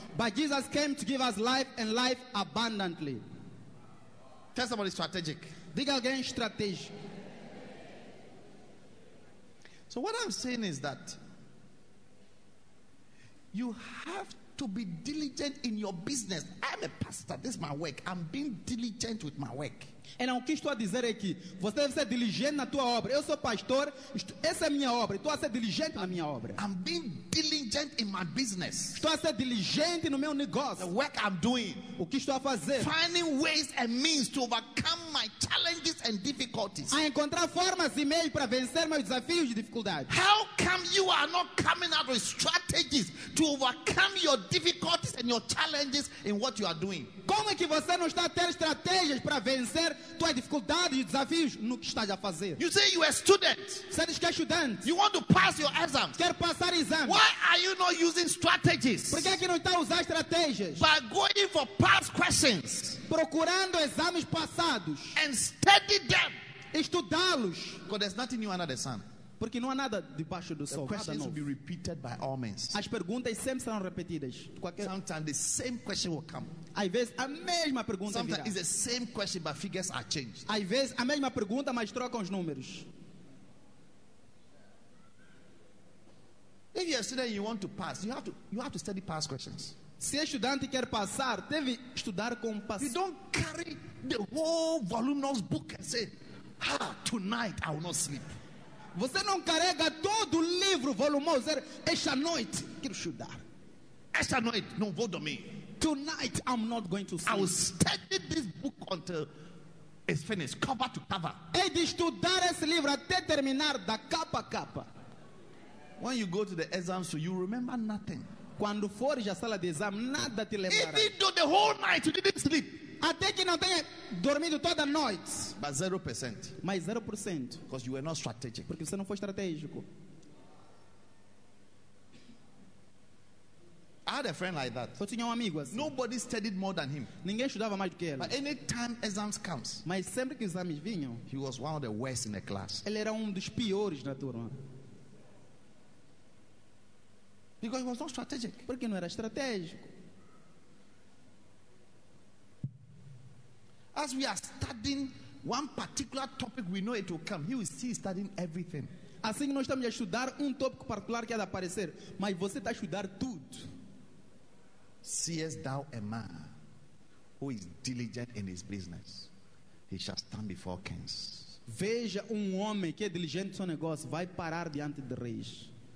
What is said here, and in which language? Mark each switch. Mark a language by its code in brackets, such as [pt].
[en] But Jesus came to give us life and life abundantly. Tell somebody strategic. [pt] Diga alguém estratégico. [en] So what I'm saying is that you have to be diligent in your business. I'm a pastor. This is my work. I'm being diligent with my work. [pt] E não, o que estou a dizer é que você deve ser diligente na tua obra. Eu sou pastor. Essa é a minha obra. Estou a ser diligente na minha obra. [en] I'm being diligent in my business. [pt] Estou a ser diligente no meu negócio. [en] The work I'm doing. [pt] O que estou a fazer. [en] Finding ways and means to overcome my challenges and difficulties. [pt] A encontrar formas e meios para vencer meus desafios e dificuldades. [en] How come you are not coming out with strategies to overcome your difficulties and your challenges in what you are doing? [pt] Como é que você não está a ter estratégias para vencer tuas dificuldades e desafios no que estás a fazer? [en] You say you are student. [pt] Você diz que é estudante. [en] You want to pass your exams. [pt] Quer passar exames. [en] Why are you not using strategies? [pt] Por que é que não está a usar estratégias? [en] By going for past questions. [pt] Procurando exames passados. [en] And study them. [pt] Estudá-los. [en] Because there's nothing new under the sun. [pt] Porque não há nada debaixo do sol. [en] The questions [pt] nada [en] will be repeated by all men. [pt] As perguntas sempre serão repetidas. [en] Sometimes the same question will come. [pt] Às vezes a mesma pergunta [en] sometimes [pt] virá. [en] It's the same question, but figures are changed. [pt] Às vezes a mesma pergunta, mas trocam os números. [en] If you're a student, you want to pass. You have to study past questions. [pt] Se estudante quer passar, deve estudar com paciência. [en] You don't carry the whole voluminous book and say, "Ah, tonight I will not sleep." [pt] Você não carrega todo o livro volumoso. Esta noite quero estudar. Esta noite não vou dormir. [en] Tonight I'm not going to sleep. I will study this book until it's finished, cover to cover. [pt] Hei de estudar esse livro até terminar da capa a capa. [en] When you go to the exam, so you remember nothing. [pt] Quando fores à sala de exame, nada te lembrará. [en] Even though the whole night you didn't sleep. [pt] Até que não tenha dormido toda a noite. [en] But 0%. [pt] Mas 0%. [en] Because you were not strategic. [pt] Porque você não foi estratégico. [en] I had a friend like that. [pt] Eu tinha amigo assim. [en] Nobody studied more than him. [pt] Ninguém estudava mais do que ele. [en] But any time exams comes. [pt] Mas sempre que os exames vinham. [en] He was one of the worst in the class. [pt] Ele era dos piores na turma. [en] Because he was not strategic. [pt] Porque não era estratégico. [en] As we are studying one particular topic, we know it will come. He will see studying everything. [pt] Assim que nós estamos a estudar tópico particular que há de aparecer, mas você está a estudar tudo. [en] Seest thou a man who is diligent in his business? He shall stand before kings. [pt] Veja homem que é diligente no seu negócio, vai parar diante de reis.